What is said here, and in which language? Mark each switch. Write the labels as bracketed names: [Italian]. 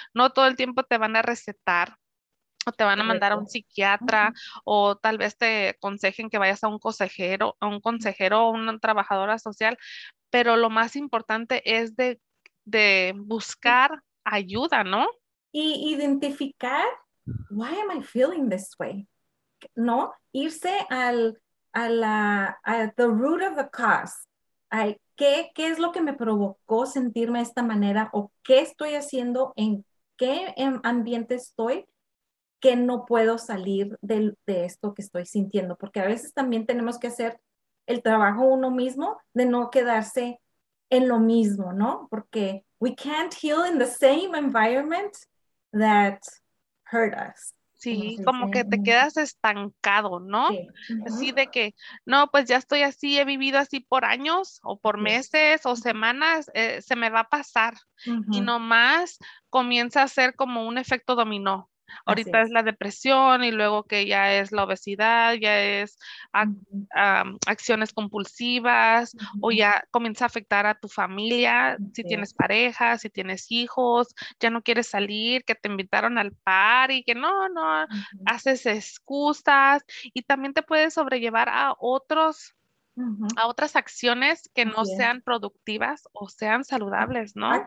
[Spanish] No todo el tiempo te van a recetar o te van a mandar a un psiquiatra o tal vez te aconsejen que vayas a un consejero o una trabajadora social. Pero lo más importante es de buscar ayuda, ¿no? Y identificar, [English] why am I feeling this way? [Spanish] ¿No? Irse a [English] the root of the cause. [Spanish] ¿Qué es lo que me provocó sentirme de esta manera? ¿O qué estoy haciendo? ¿En qué ambiente estoy? ¿Que no puedo salir de esto que estoy sintiendo? Porque a veces también tenemos que hacer el trabajo uno mismo de no quedarse en lo mismo, ¿no? Porque [English] we can't heal in the same environment that hurt us. [Spanish] Sí, como que te quedas estancado, ¿no? Sí. Así de que, no, pues ya estoy así, he vivido así por años o por meses o semanas, se me va a pasar. Uh-huh. Y nomás comienza a ser como un efecto dominó. Ahorita es la depresión y luego que ya es la obesidad, ya es acciones compulsivas o ya comienza a afectar a tu familia, si tienes pareja, si tienes hijos, ya no quieres salir, que te invitaron al party, que no, haces excusas y también te puedes sobrellevar a otros, a otras acciones que no sean productivas o sean saludables, ¿no?